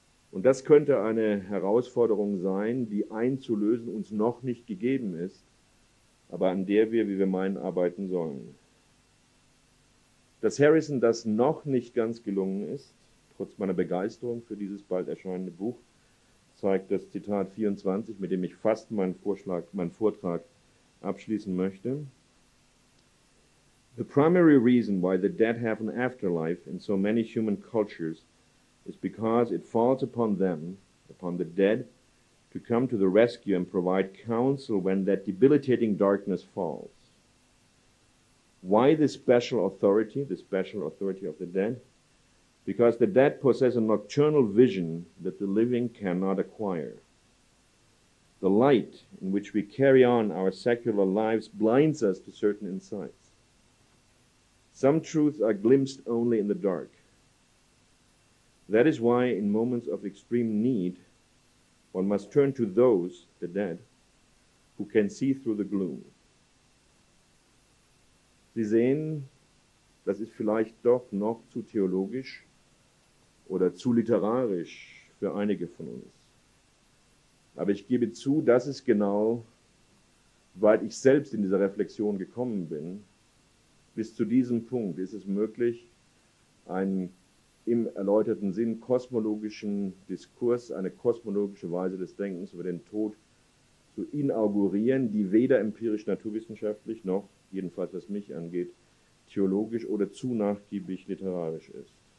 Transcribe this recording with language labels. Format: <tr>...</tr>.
<de>Und das könnte eine Herausforderung sein, die einzulösen uns noch nicht gegeben ist, aber an der wir, wie wir meinen, arbeiten sollen. Dass Harrison das noch nicht ganz gelungen ist, trotz meiner Begeisterung für dieses bald erscheinende Buch, zeigt das Zitat 24, mit dem ich fast meinen Vortrag abschließen möchte.</de> <en>The primary reason why the dead have an afterlife in so many human cultures is because it falls upon them, upon the dead, to come to the rescue and provide counsel when that debilitating darkness falls. Why this special authority, the special authority of the dead? Because the dead possess a nocturnal vision that the living cannot acquire. The light in which we carry on our secular lives blinds us to certain insights. Some truths are glimpsed only in the dark. That is why in moments of extreme need, one must turn to those, the dead, who can see through the gloom.</en> <de>Sie sehen, das ist vielleicht doch noch zu theologisch oder zu literarisch für einige von uns. Aber ich gebe zu, das ist genau, weil ich selbst in dieser Reflexion gekommen bin, bis zu diesem Punkt ist es möglich, einen im erläuterten Sinn kosmologischen Diskurs, eine kosmologische Weise des Denkens über den Tod zu inaugurieren, die weder empirisch naturwissenschaftlich noch, jedenfalls was mich angeht, theologisch oder zu nachgiebig literarisch ist.</de>